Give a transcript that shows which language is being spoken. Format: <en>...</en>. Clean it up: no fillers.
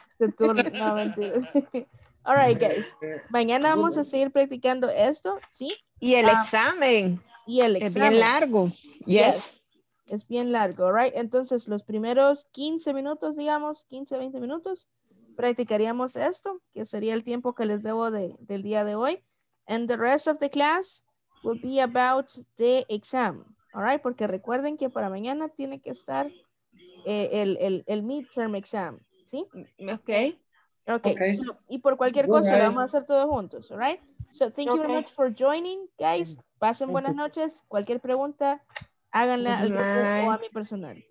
<es>Se turna, no, mentira.</es> <en>All right, guys.</en> <es>Mañana vamos a seguir practicando esto, ¿sí? Y el examen. Y el examen. Es bien largo. Yes. Es bien largo, right? Entonces, los primeros 15 minutos, digamos, 15, 20 minutos, practicaríamos esto, que sería el tiempo que les debo del día de hoy.</es> <en>And the rest of the class will be about the exam. All right?</en> <es>Porque recuerden que para mañana tiene que estar el midterm exam. ¿Sí?</es> <en>Okay. Okay.</en> <es>So, y por cualquier cosa lo vamos a hacer todos juntos.</es> <en>All right? So thank you very much for joining, guys.</en> <es>Pasen buenas noches. Cualquier pregunta, háganla al grupo o a mi personal.</es>